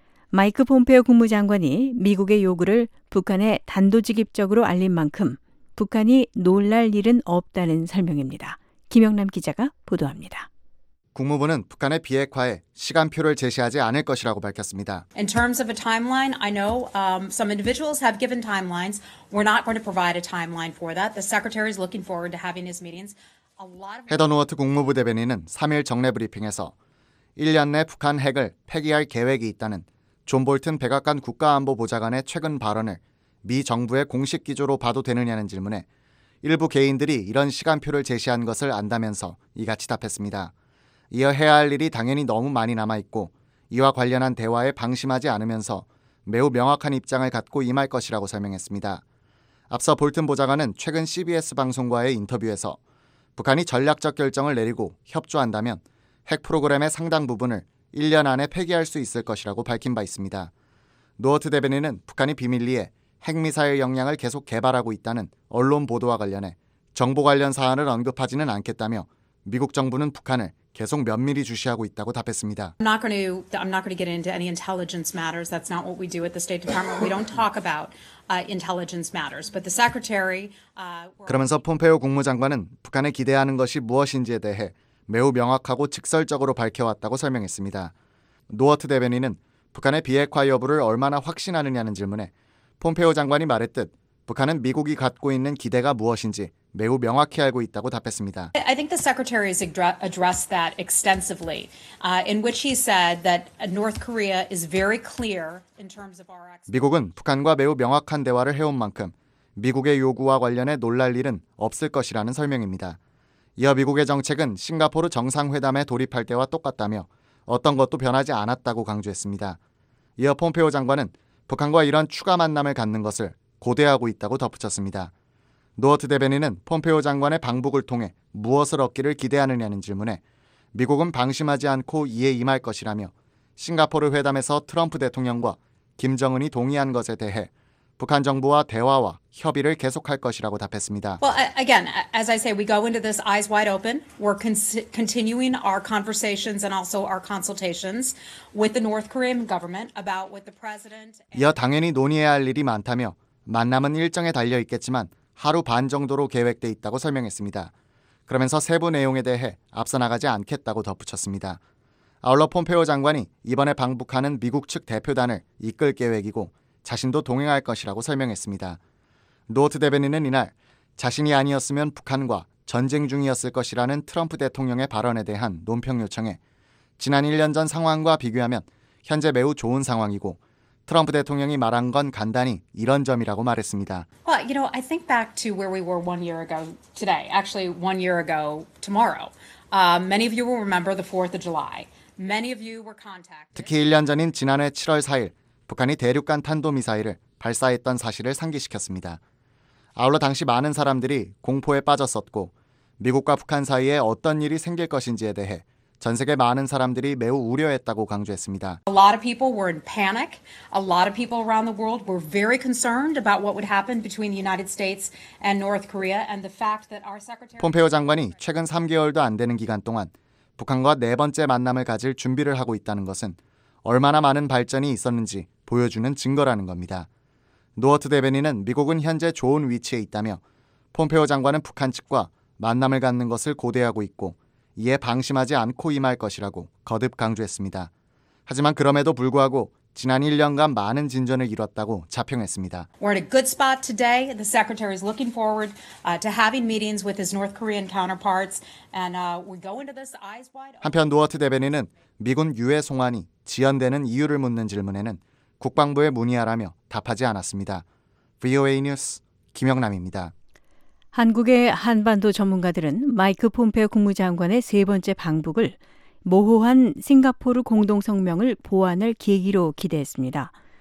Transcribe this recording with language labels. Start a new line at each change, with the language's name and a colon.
Korean: 마이크 폼페이오 국무장관이 미국의 요구를 북한에 단도직입적으로 알린 만큼 북한이 놀랄 일은 없다는 설명입니다. 김영남 기자가 보도합니다. 국무부는 북한의 비핵화에 시간표를 제시하지 않을 것이라고 밝혔습니다.
English: In terms of a timeline, I know some individuals have given timelines. We're not going to provide a timeline for that. The secretary is looking forward to having his meetings.
Korean: 헤더 노어트 국무부 대변인은 3일 정례 브리핑에서 1년 내 북한 핵을 폐기할 계획이 있다는 존 볼튼 백악관 국가안보보좌관의 최근 발언을 미 정부의 공식 기조로 봐도 되느냐는 질문에 일부 개인들이 이런 시간표를 제시한 것을 안다면서 이같이 답했습니다. 이어 해야 할 일이 당연히 너무 많이 남아있고 이와 관련한 대화에 방심하지 않으면서 매우 명확한 입장을 갖고 임할 것이라고 설명했습니다. 앞서 볼튼 보좌관은 최근 CBS 방송과의 인터뷰에서 북한이 전략적 결정을 내리고 협조한다면 핵 프로그램의 상당 부분을 1년 안에 폐기할 수 있을 것이라고 밝힌 바 있습니다. 노어트 대변인은 북한이 비밀리에 핵미사일 역량을 계속 개발하고 있다는 언론 보도와 관련해 정보 관련 사안을 언급하지는 않겠다며 미국 정부는 북한을 계속 면밀히 주시하고 있다고 답했습니다.
English: I'm not going to get into any intelligence matters. That's not what we do at the State Department. We don't talk about intelligence matters. But the secretary.
Korean: 그러면서 폼페이오 국무장관은 북한에 기대하는 것이 무엇인지에 대해 매우 명확하고 직설적으로 밝혀왔다고 설명했습니다. 노어트 대변인은 북한의 비핵화 여부를 얼마나 확신하느냐는 질문에 폼페이오 장관이 말했듯 북한은 미국이 갖고 있는 기대가 무엇인지 매우 명확히 알고 있다고 답했습니다.
English: I think the secretary has addressed that extensively, in which he said that North Korea is very clear in terms of our.
Korean: 미국은 북한과 매우 명확한 대화를 해온 만큼 미국의 요구와 관련해 놀랄 일은 없을 것이라는 설명입니다. 이어 미국의 정책은 싱가포르 정상회담에 돌입할 때와 똑같다며 어떤 것도 변하지 않았다고 강조했습니다. 이어 폼페이오 장관은 북한과 이런 추가 만남을 갖는 것을 고대하고 있다고 덧붙였습니다. 노어트 대변인은 폼페이오 장관의 방북을 통해 무엇을 얻기를 기대하느냐는 질문에 미국은 방심하지 않고 이에 임할 것이라며 싱가포르 회담에서 트럼프 대통령과 김정은이 동의한 것에 대해 북한 정부와 대화와 협의를 계속할 것이라고 답했습니다.
English: Well, again, as I say, we go into this eyes wide open. We're continuing our conversations and also our consultations with the North Korean government about what the president.
Korean: 이어 당연히 논의해야 할 일이 많다며 만남은 일정에 달려 있겠지만 하루 반 정도로 계획돼 있다고 설명했습니다. 그러면서 세부 내용에 대해 앞서 나가지 않겠다고 덧붙였습니다. 아울러 폼페이오 장관이 이번에 방북하는 미국 측 대표단을 이끌 계획이고 자신도 동행할 것이라고 설명했습니다. 노어트 대변인은 이날 자신이 아니었으면 북한과 전쟁 중이었을 것이라는 트럼프 대통령의 발언에 대한 논평 요청에 지난 1년 전 상황과 비교하면 현재 매우 좋은 상황이고 트럼프 대통령이 말한 건 간단히 이런 점이라고 말했습니다.
English: Well, you know, I think back to where we were 1 year ago today. Actually, 1 year ago tomorrow. Many of you will remember the 4th of July. Many of you were contacted.
Korean: 특히 1년 전인 지난해 7월 4일 북한이 대륙간 탄도미사일을 발사했던 사실을 상기시켰습니다. 아울러 당시 많은 사람들이 공포에 빠졌었고 미국과 북한 사이에 어떤 일이 생길 것인지에 대해 전 세계 많은 사람들이 매우 우려했다고 강조했습니다.
English: A lot of people were in panic. A lot of people around the world were very concerned about what would happen between the United States and North Korea and the fact that our secretary
Korean: 폼페오 장관이 최근 3개월도 안 되는 기간 동안 북한과 네 번째 만남을 가질 준비를 하고 있다는 것은 얼마나 많은 발전이 있었는지 보여주는 증거라는 겁니다. 노어트 대변인은 미국은 현재 좋은 위치에 있다며 폼페오 장관은 북한 측과 만남을 갖는 것을 고대하고 있고 이에 방심하지 않고 임할 것이라고 거듭 강조했습니다. 하지만 그럼에도 불구하고 지난 1년간 많은 진전을 이뤘다고 자평했습니다.
English: We're in a good spot today. The secretary is looking forward to having meetings with his North Korean counterparts and we go into this eyes wide.
Korean: 한편 노어트 대변인은 미군 유해 송환이 지연되는 이유를 묻는 질문에는 국방부에 문의하라며 답하지 않았습니다. VOA 뉴스 김영남입니다. 한국의 한반도 전문가들은 마이크 폼페오 국무장관의 세 번째 방북을 모호한 싱가포르 공동성명을 보완할 계기로 기대했습니다.